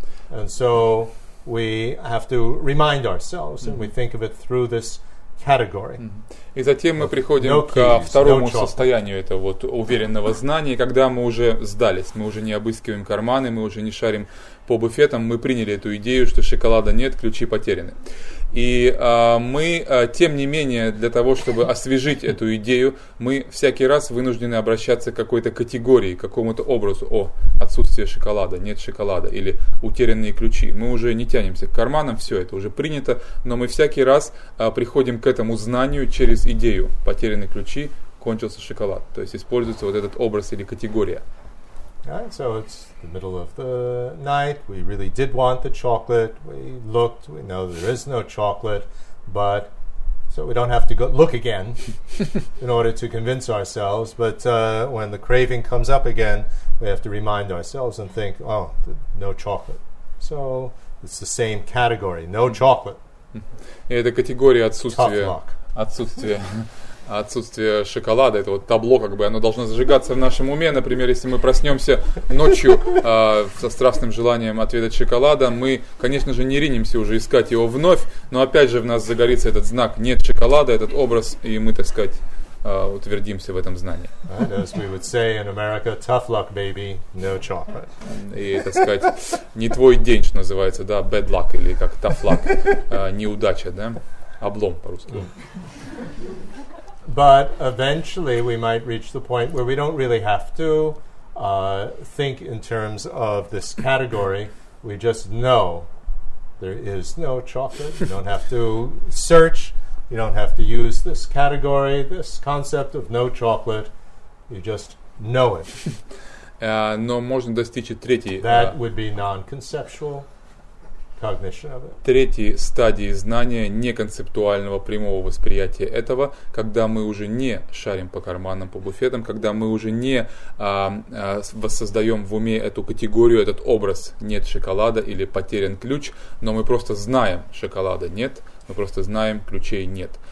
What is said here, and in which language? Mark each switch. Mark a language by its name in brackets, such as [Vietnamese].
[English] And so we have to remind ourselves, and we think of it through this category. [Russian] И затем мы приходим к второму состоянию этого вот уверенного знания, когда мы уже сдались, мы уже не обыскиваем карманы, мы уже не шарим по буфетам, мы приняли эту идею, что шоколада нет, ключи потеряны. И мы, тем не менее, для того, чтобы освежить эту идею, мы всякий раз вынуждены обращаться к какой-то категории, к какому-то образу. О, отсутствие шоколада, нет шоколада, или утерянные ключи. Мы уже не тянемся к карманам, все это уже принято, но мы всякий раз приходим к этому знанию через идею. Потерянные ключи, кончился шоколад. То есть используется вот этот образ или категория. [English] Right, so it's the middle of the night, we really did want the chocolate, we looked, we know there is no chocolate, but, so we don't have to go look again in order to convince ourselves, but when the craving comes up again, we have to remind ourselves and think, oh, no chocolate. So it's the same category, no chocolate. [Russian] И эта категория отсутствия. Отсутствие шоколада, это вот табло, как бы оно должно зажигаться в нашем уме. Например, если мы проснемся ночью со страстным желанием отведать шоколада, мы, конечно же, не ринемся уже искать его вновь, но опять же в нас загорится этот знак «нет шоколада», этот образ, и мы, так сказать, утвердимся в этом знании. [English] As we would say in America, tough luck, baby, no chocolate. [Russian] И, так сказать, не твой день, что называется, да, [English] bad luck, [Russian] или как [English] tough luck, [Russian] неудача, да, облом по-русски. [English] But eventually we might reach the point where we don't really have to think in terms of this category. We just know there is no chocolate. You don't have to search. You don't have to use this category, this concept of no chocolate. You just know it. [Russian] Но можно достичь третьей. [English] That would be non-conceptual. [Russian] Третьей стадии знания неконцептуального прямого восприятия этого, когда мы уже не шарим по карманам, по буфетам, когда мы уже не воссоздаем в уме эту категорию, этот образ «нет шоколада» или «потерян ключ», но мы просто знаем «шоколада нет», мы просто знаем «ключей нет».